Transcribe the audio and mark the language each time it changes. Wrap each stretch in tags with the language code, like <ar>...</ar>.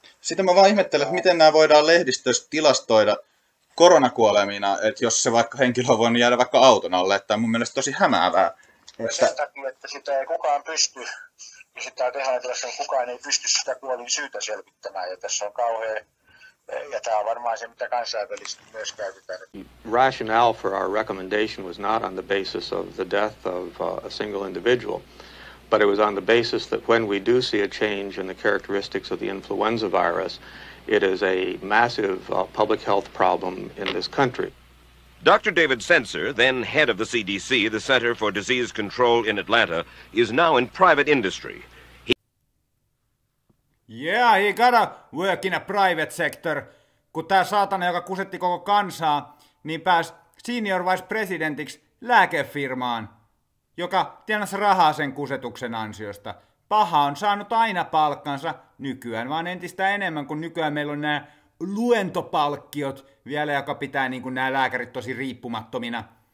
<fi>Sitten mä vaan ihmettelen, että miten nämä voidaan lehdistössä tilastoida koronakuolemina, että jos se vaikka henkilö on voinut jäädä vaikka auton alle, että on mun mielestä tosi hämäävää. Että... Sen takia, että sitä ei kukaan pysty, ja sitä tehdään tilassa, että kukaan ei pysty sitä kuolin syytä selvittämään, ja tässä on kauhean, ja tämä on varmaan se, mitä kansainvälisesti myös käytetään.</fi> <en>Rationale for our recommendation was not on the basis of the death of a single individual. But it was on the basis that when we do see a change in the characteristics of the influenza virus, it is a massive public health problem in this country. Dr. David Sensor, then head of the CDC, the Center for Disease Control in Atlanta, is now in private industry. He gotta work in a private sector,</en> <fi>kun tää saatana, joka kusetti koko kansaa, niin pääsi senior vice presidentiksi lääkefirmaan, joka tienasi rahaa sen kusetuksen ansiosta. Paha on saanut aina palkkansa nykyään, vaan entistä enemmän, kun nykyään meillä on nämä luentopalkkiot vielä, joka pitää niin kuin nämä lääkärit tosi riippumattomina.</fi>